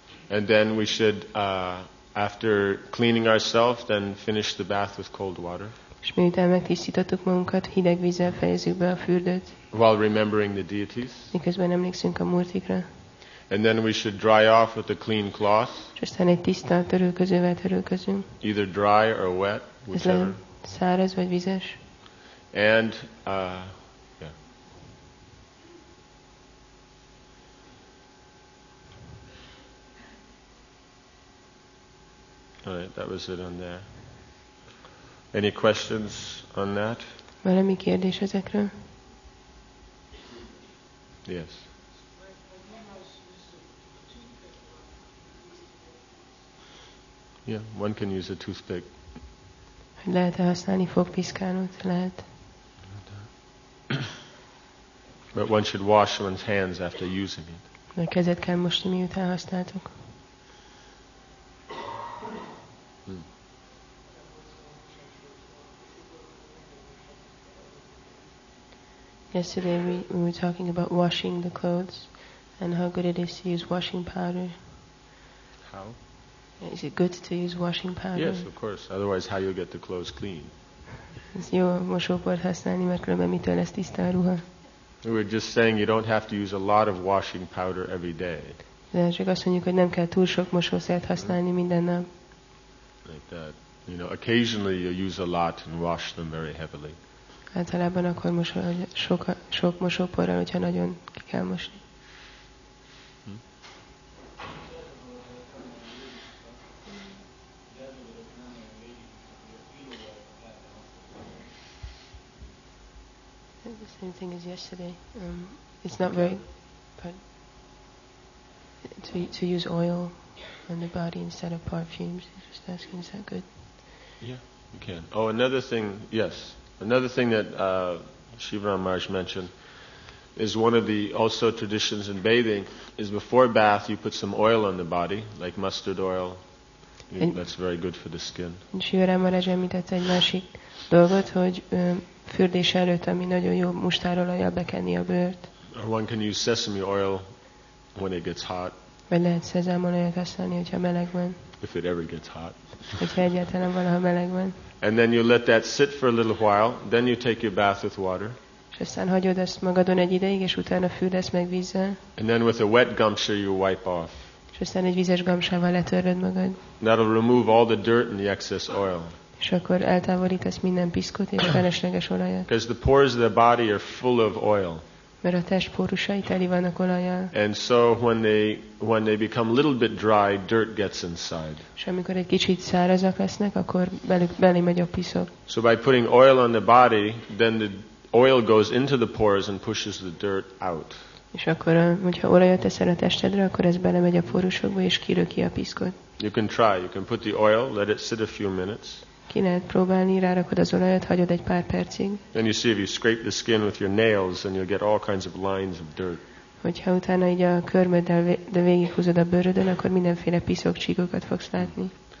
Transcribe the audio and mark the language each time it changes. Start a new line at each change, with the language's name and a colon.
English: And then we should, after cleaning ourselves, then finish the bath with cold water.
Hungarian: És miután megtisztítottuk magunkat, hideg vízzel fejezzük be a fürdőt.
English: While remembering the deities.
Hungarian: Miközben emlékszünk a murtikra.
English: And then we should dry off with a clean cloth.
Hungarian: Aztán egy tiszta törölközővel törölközünk.
English: Either dry or wet, whichever.
Hungarian: Ez száraz vagy vizes.
English: And, all right, that was it on there. Any questions on that?
Hungarian: Valami kérdés ezekről?
English: Yes. Yeah, one can use a toothpick.
Hungarian: Lehet-e használni fogpiszkálót? Lehet.
English: But one should wash one's hands after using it.
Hungarian: A kezet kell mosni, miután használtuk.
English: Yesterday we were talking about washing the clothes and how good it is to use washing powder. How? Is it good to use washing powder? Yes, of course. Otherwise, how you get the clothes clean?
Hungarian: Ez jó mosóport használni, mert különben mitől lesz tiszta a ruha?
English: We were just saying you don't have to use a lot of washing powder every day.
Hungarian: De csak azt mondjuk, hogy nem kell túl sok mosószert használni minden nap.
English: Like that. You know, occasionally you use a lot and wash them very heavily.
Hungarian: Általában akkor mosol, hogy sok mosóporral, hogyha nagyon ki kell mosni.
English: The same thing as yesterday. It's not very, but to use oil on the body instead of perfumes. Just asking, is that good? Yeah, you can. Oh, another thing. Yes. Another thing that Shivaram Maharaj mentioned is one of the also traditions in bathing is before bath you put some oil on the body, like mustard oil. And that's very good for the skin.
Hungarian: Shivaram Maharaj említette egy másik dolgot, hogy fürdés előtt, ami nagyon jó, mustárolajjal bekenni a bőrt.
English: Or one can use sesame oil when it gets hot.
Hungarian: Vagy lehet szezámolajat használni, hogyha meleg van.
English: If it ever gets hot.
Hungarian: Hogyha egyáltalán valaha meleg van.
English: And then you let that sit for a little while, then you take your bath with water.
Hungarian: És aztán hagyod ezt magadon egy ideig, és utána fürdesz meg vízzel.
English: And then with a wet gumshoe you wipe off.
Hungarian: És aztán egy vizes gumsával letöröd magad.
English: That'll remove all the dirt and the excess oil.
Hungarian: És akkor eltávolítasz minden piszkot és felesleges olajat.
English: Because the pores of the body are full of oil.
Hungarian: Mert a test pórusai teli vannak olajjal.
English: And so when they become a little bit dry, dirt gets inside.
Hungarian: És amikor egy kicsit szárazak lesznek, akkor belé megy a piszok.
English: So by putting oil on the body, then the oil goes into the pores and pushes the dirt out.
Hungarian: És akkor, hogyha olajat teszel a testedre, akkor ez belemegy a pórusokba és kiröki a piszkot.
English: You can try. You can put the oil, let it sit a few minutes.
Hungarian: Ki lehet próbálni, rárakod az olajat, hagyod egy pár percig.
English: And you see if you scrape the skin with your nails, then you'll get all kinds of lines of dirt.
Hungarian: Hogyha utána így a körmöddel végighúzod a bőrödön, akkor mindenféle piszok csíkokat fogsz látni.